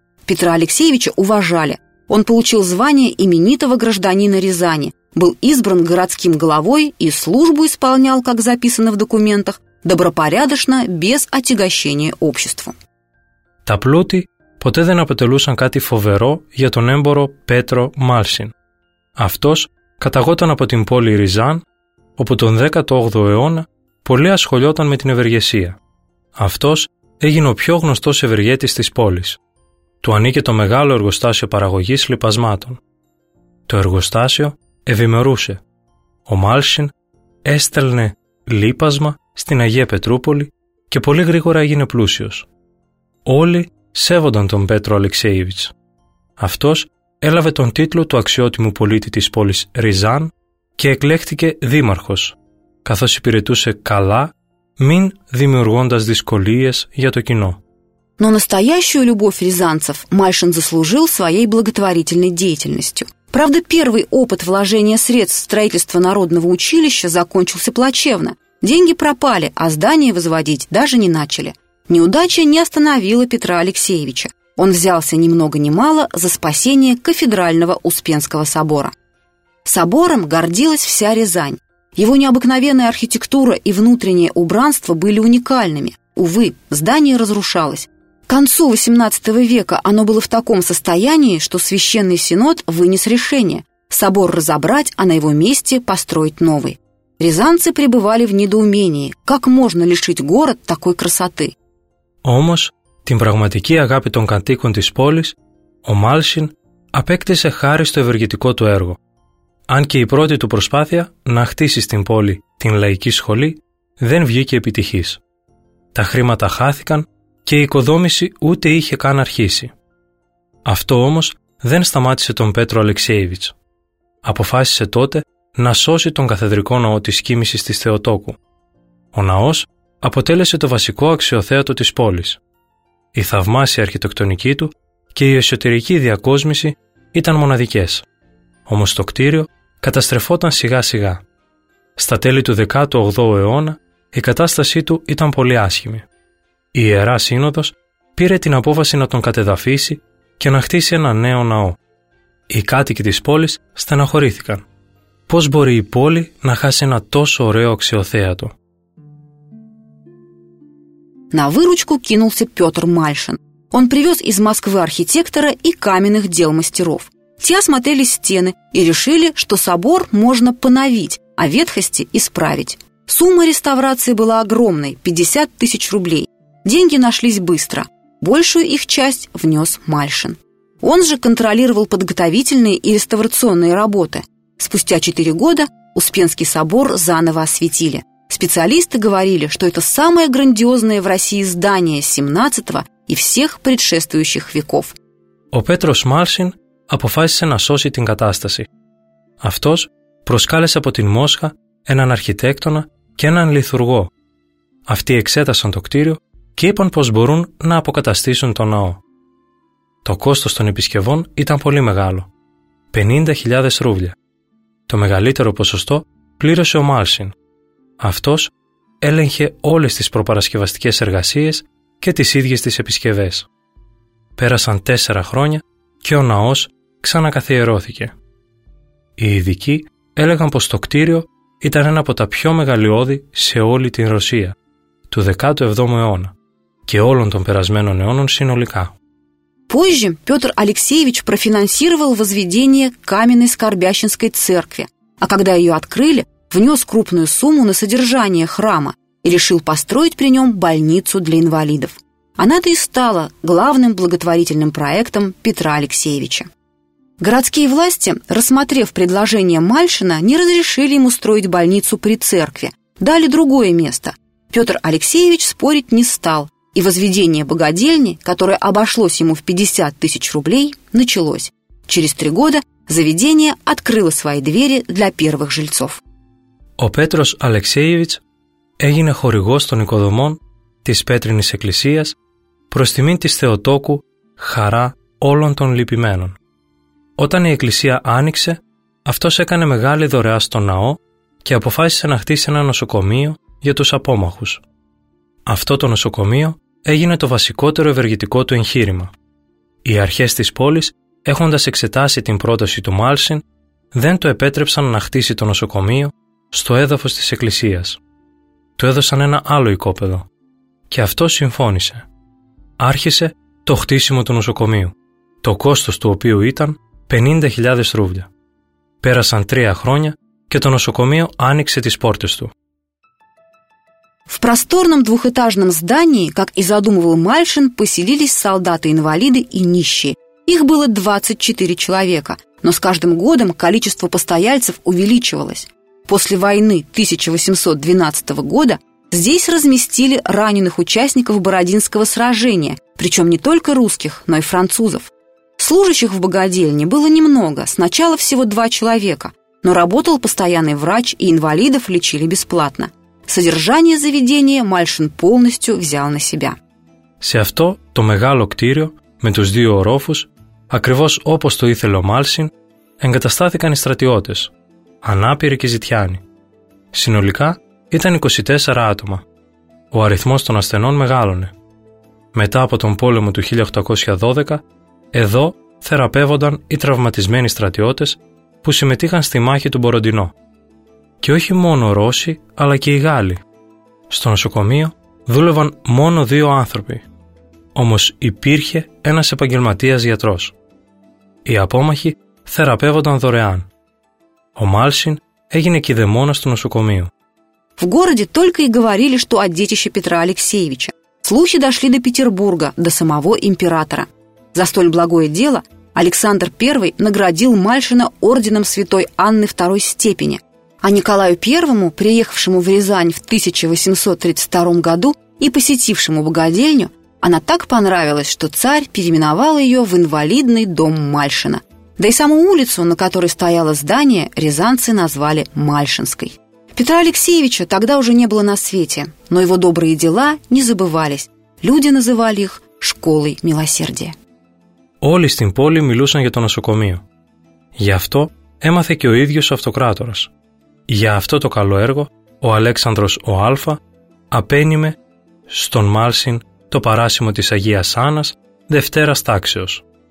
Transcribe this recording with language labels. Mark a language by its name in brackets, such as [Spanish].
[Russian] Петра Алексеевича уважали. Он получил звание именитого гражданина Рязани, был избран городским главой и службу исполнял, как записано в документах, добропорядочно, без отягощения обществу. [Greek] Та плоти ποτέ δεν αποτελούσαν κάτι φοβερό για τον έμπορο Πέτρο Μάλσιν. Αυτός καταγόταν από την πόλη Ριζάν, όπου τον 18ο αιώνα πολύ ασχολιόταν με την ευεργεσία. Αυτός έγινε ο πιο γνωστός ευεργέτης της πόλης. Του ανήκε το μεγάλο εργοστάσιο παραγωγής λιπασμάτων. Το εργοστάσιο ευημερούσε. Ο Μάλσιν έστελνε λίπασμα στην Αγία Πετρούπολη και πολύ γρήγορα έγινε πλούσιος. Όλοι σέβονταν τον Πέτρο Αλεξέιβιτς. Αυτός έλαβε τον τίτλο του αξιότιμου πολίτη της πόλης Ριζάν και εκλέχτηκε δήμαρχος, καθώς υπηρετούσε καλά, μην δημιουργώντας δυσκολίες για το κοινό. [Russian] Но настоящую любовь рязанцев Мальшин заслужил своей благотворительной деятельностью. Правда, первый опыт вложения средств в строительство народного училища закончился плачевно. Деньги пропали, а здание возводить даже не начали. Неудача не остановила Петра Алексеевича. Он взялся ни много ни мало за спасение кафедрального Успенского собора. Собором гордилась вся Рязань. Его необыкновенная архитектура и внутреннее убранство были уникальными. Увы, здание разрушалось. К концу XVIII века оно было в таком состоянии, что Священный Синод вынес решение – собор разобрать, а на его месте построить новый. Рязанцы пребывали в недоумении, как можно лишить город такой красоты. [Greek] Όμως, την πραγματική αγάπη των κατοίκων της πόλης, ο Μάλσιν απέκτησε χάρη στο ευεργετικό του έργο. Αν και η πρώτη του προσπάθεια να χτίσει στην πόλη την λαϊκή σχολή, δεν βγήκε επιτυχής. Τα χρήματα χάθηκαν και η οικοδόμηση ούτε είχε καν αρχίσει. Αυτό όμως δεν σταμάτησε τον Πέτρο Αλεξέιβιτς. Αποφάσισε τότε να σώσει τον καθεδρικό ναό της κοίμησης της Θεοτόκου. Ο ναός αποτέλεσε το βασικό αξιοθέατο της πόλης. Η θαυμάσια αρχιτεκτονική του και η εσωτερική διακόσμηση ήταν μοναδικές. Όμως το κτίριο καταστρεφόταν σιγά σιγά. Στα τέλη του 18ου αιώνα η κατάστασή του ήταν πολύ άσχημη. Η Ιερά Σύνοδος πήρε την απόφαση να τον κατεδαφίσει και να χτίσει ένα νέο ναό. Οι κάτοικοι της πόλης στεναχωρήθηκαν. Πώς μπορεί η πόλη να χάσει ένα τόσο ωραίο αξιοθέατο? [Russian] На выручку кинулся Петр Мальшин. Он привез из Москвы архитектора и каменных дел мастеров. Те осмотрели стены и решили, что собор можно поновить, а ветхости исправить. Сумма реставрации была огромной – 50 тысяч рублей. Деньги нашлись быстро. Большую их часть внес Мальшин. Он же контролировал подготовительные и реставрационные работы. Спустя 4 года Успенский собор заново осветили. Специалисты говорили, что это самое грандиозное в России здание 17-го и всех предшествующих веков. [Greek] Ο Πέτρος Μάλσιν αποφάσισε να σώσει την κατάσταση. Αυτός προσκάλεσε από την Μόσχα έναν αρχιτέκτονα και έναν λιθουργό. Αυτοί εξέτασαν το κτίριο και είπαν πως μπορούν να αποκαταστήσουν το ναό. Το κόστος των επισκευών ήταν πολύ μεγάλο. 50.000 ρούβλια. Το μεγαλύτερο ποσοστό πλήρωσε ο Μάλσιν. Αυτός έλεγχε όλες τις προπαρασκευαστικές εργασίες και τις ίδιες τις επισκευές. Πέρασαν 4 χρόνια και ο ναός ξανακαθιερώθηκε. Οι ειδικοί έλεγαν πως το κτίριο ήταν ένα από τα πιο μεγαλειώδη σε όλη την Ρωσία, του 17ου αιώνα και όλων των περασμένων αιώνων συνολικά. [Russian] Позже Петр Алексеевич профинансировал возведение каменной Скорбящинской церкви, а когда ее открыли, внес крупную сумму на содержание храма и решил построить при нем больницу для инвалидов. Она-то и стала главным благотворительным проектом Петра Алексеевича. Городские власти, рассмотрев предложение Мальшина, не разрешили ему строить больницу при церкви, дали другое место. Петр Алексеевич спорить не стал, и возведение богадельни, которое обошлось ему в 50 тысяч рублей, началось. Через 3 года заведение открыло свои двери для первых жильцов. [Greek] Ο Πέτρος Αλεξέιβιτς έγινε χορηγός των οικοδομών της Πέτρινης Εκκλησίας προς τιμήν της Θεοτόκου χαρά όλων των λυπημένων. Όταν η εκκλησία άνοιξε, αυτός έκανε μεγάλη δωρεά στο ναό και αποφάσισε να χτίσει ένα νοσοκομείο για τους απόμαχους. Αυτό το νοσοκομείο έγινε το βασικότερο ευεργετικό του εγχείρημα. Οι αρχές της πόλης, έχοντας εξετάσει την πρόταση του Μάλσιν, δεν το επέτρεψαν να χτίσει το νοσοκομείο στο έδαφος της εκκλησίας. Του έδωσαν ένα άλλο οικόπεδο και αυτό συμφώνησε. Άρχισε το χτίσιμο του νοσοκομείου, το κόστος του οποίου ήταν 50.000 ρούβλια. Πέρασαν 3 χρόνια και το νοσοκομείο άνοιξε τις πόρτες του. [Russian] В просторном двухэтажном здании, как и задумывал Мальшин, поселились солдаты-инвалиды и нищие. Их было 24 человека, но с каждым годом количество постояльцев увеличивалось. После войны 1812 года здесь разместили раненых участников Бородинского сражения, причем не только русских, но и французов. Служащих в богадельне было немного, сначала всего 2 человека, но работал постоянный врач, и инвалидов лечили бесплатно. Содержание заведения Мальшин полностью взял на себя. [Greek] Σε αυτό το μεγάλο κτίριο, με τους 2 ορόφους, ακριβώς όπως το ήθελε ο Μάλσιν, εγκαταστάθηκαν οι στρατιώτες, ανάπηροι και ζητιάνοι. Συνολικά ήταν 24 άτομα. Ο αριθμός των ασθενών μεγάλωνε. Μετά από τον πόλεμο του 1812, εδώ θεραπεύονταν οι τραυματισμένοι στρατιώτες που συμμετείχαν στη μάχη του Μποροντινό. Και όχι μόνο Ρώσοι, αλλά και οι Γάλλοι. Στο νοσοκομείο δούλευαν μόνο 2 άνθρωποι. Όμως υπήρχε ένας επαγγελματίας γιατρός. Οι απόμαχοι θεραπεύονταν δωρεάν. Ο Μάλσιν έγινε κηδεμόνας του νοσοκομείου. [Russian] В городе только и говорили, что о детище Петра Алексеевича. Слухи дошли до Петербурга, до самого императора. За столь благое дело Александр I наградил Мальшина орденом Святой Анны II степени. А Николаю I, приехавшему в Рязань в 1832 году и посетившему богадельню, она так понравилась, что царь переименовал ее в инвалидный дом Мальшина. Да и саму улицу, на которой стояло здание, рязанцы назвали Мальшинской. Петра Алексеевича тогда уже не было на свете, но его добрые дела не забывались. Люди называли их «школой милосердия». [Greek] Όλοι στην πόλη μιλούσαν για το νοσοκομείο. Γι' αυτό έμαθε και ο ίδιος ο αυτοκράτορας. Για αυτό το καλό έργο, ο Αλέξανδρος ο Α απένιμε στον Μάλσιν το παράσημο της Αγίας Άννας δευτέρας τάξεως.